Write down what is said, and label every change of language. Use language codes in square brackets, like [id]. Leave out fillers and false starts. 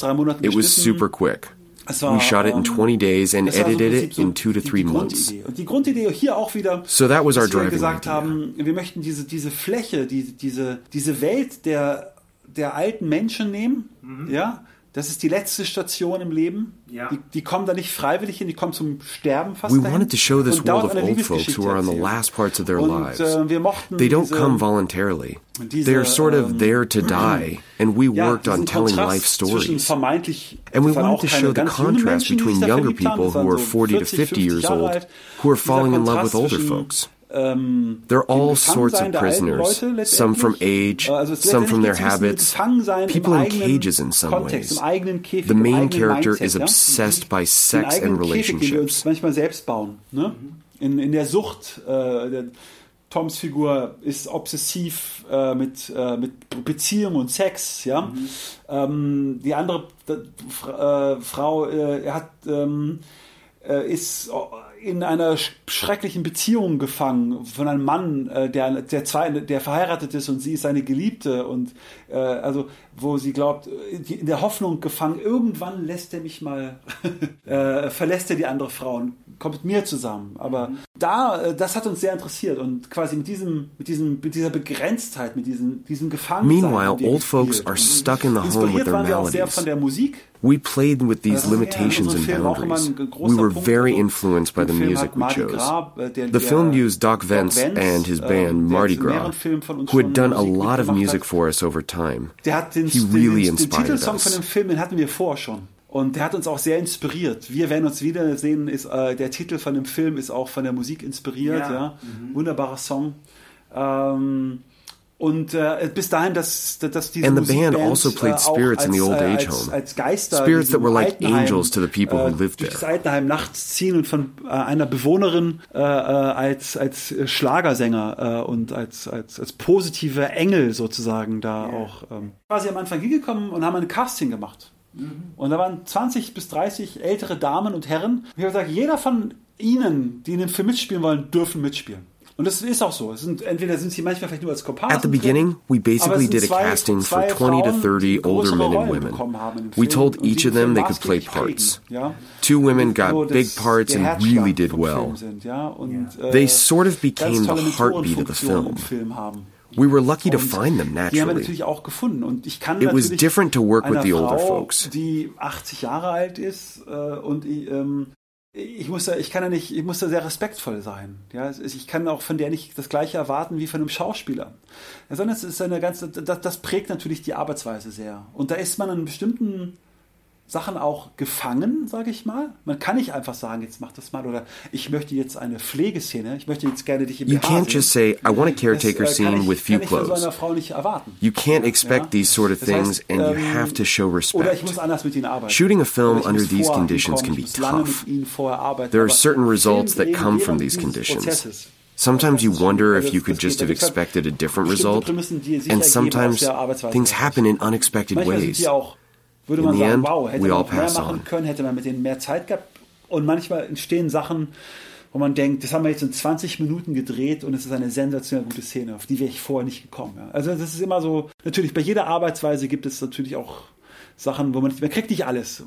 [en] It was super quick. We shot it in 20 days and edited it in 2 to 3 months. [de] Die Grundidee hier auch wieder. [en] So that was our driving idea. [de] Wir möchten diese Fläche, diese Welt der alten Menschen nehmen, ja? Das ist die letzte Station im Leben. Ja. Die kommen da nicht freiwillig hin, die kommen zum Sterben fast. [en] We wanted to show this world of old folks who are on the last parts of their lives. [de] Wir mochten [en] they don't come voluntarily. They are sort of there to die, and we worked on telling life stories. And we wanted to show the contrast between younger people who are 40 to 50 years old who are falling in love with older folks. They're all sorts of prisoners, some from age, some from their habits, people in cages in some ways. The main character is obsessed by sex and relationships. [de] Manchmal selbst bauen, ne? In der Sucht, Toms Figur ist obsessiv mit Beziehung und Sex, ja? Die andere Frau ist in einer schrecklichen Beziehung gefangen von einem Mann, der verheiratet ist und sie ist seine Geliebte und also wo sie glaubt, in der Hoffnung gefangen, irgendwann lässt er mich mal verlässt er die andere Frau und kommt mit mir zusammen. Aber das hat uns sehr interessiert und quasi mit dieser Begrenztheit, mit diesem Gefangensein. [en] Meanwhile, old folks are stuck in the home with their maladies. [de] Inspiriert waren wir auch sehr von der Musik. [en] We played with these limitations and boundaries. We were very influenced by the music we chose. The film used Doc Vence and his band Mardi Gras, who had done a lot of music for us over time. He really inspired us. [de] Den Titelsong von dem Film hatten wir vorher schon. Und der hat uns auch sehr inspiriert. Wir werden uns wiedersehen, ist der Titel von dem Film ist auch von der Musik inspiriert. Ja. Wunderbarer Song. Und bis dahin, dass diese [en] and the [de] Musikband [en] band also played spirits in the old age home. Spirits that were like [de] Altenheim, [en] angels to the people who lived there. [de] Durch das Altenheim nachts ziehen und von einer Bewohnerin als Schlagersänger und als positive Engel sozusagen da auch. Quasi am Anfang hingekommen und haben ein Casting gemacht. Und da waren 20 bis 30 ältere Damen und Herren. Ich habe gesagt, jeder von ihnen, die in dem Film mitspielen wollen, dürfen mitspielen. Und das ist auch so. Entweder sind sie manchmal vielleicht nur als Komparsen. [en] At the beginning, we basically did a casting for 20 to 30 older men and women. We told each of them they could play parts. Two women got big parts and really did well. They sort of became the heartbeat of the film. We were lucky to find them, naturally. [de] Die haben wir natürlich auch gefunden. Und ich kann [en] it was different to work with the older folks. [de] Die 80 Jahre alt ist und ich muss da sehr respektvoll sein. Ja, ich kann auch von der nicht das Gleiche erwarten wie von einem Schauspieler. Ja, sondern es ist eine ganze, das prägt natürlich die Arbeitsweise sehr. Und da ist man an bestimmten Sachen auch gefangen, sage ich mal. Man kann nicht einfach sagen, jetzt mach das mal, oder ich möchte jetzt eine Pflegeszene, ich möchte jetzt gerne dich im BH sehen. [en] You can't just say, I want a caretaker scene with few clothes. [de] Das kann ich von so einer Frau nicht erwarten. [en] You can't expect these sort of things and you have to show respect. [de] Oder ich muss anders mit ihnen arbeiten. [en] Shooting a film under these conditions can be tough. There are certain results that come from these conditions. Sometimes you wonder if you could just have expected a different result, and sometimes things happen in unexpected ways. [de] Würde man sagen, wow, hätte man mehr machen können, hätte man mit denen mehr Zeit gehabt. Und manchmal entstehen Sachen, wo man denkt, das haben wir jetzt in 20 Minuten gedreht und es ist eine sensationell gute Szene, auf die wäre ich vorher nicht gekommen. Also das ist immer so, natürlich bei jeder Arbeitsweise gibt es natürlich auch Sachen, wo man kriegt nicht alles.